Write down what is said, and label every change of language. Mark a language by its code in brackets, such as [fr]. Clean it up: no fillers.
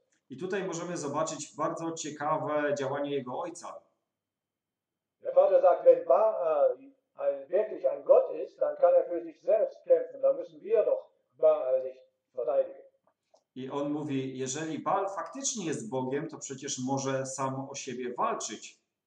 [pl] I tutaj możemy zobaczyć bardzo ciekawe działanie jego ojca. [de] Der Vater sagt, wenn Baal wirklich ein Gott ist, dann kann er für sich selbst kämpfen, dann müssen wir doch Baal nicht. [pl] I on mówi, jeżeli Baal faktycznie jest Bogiem, to przecież może sam o siebie walczyć.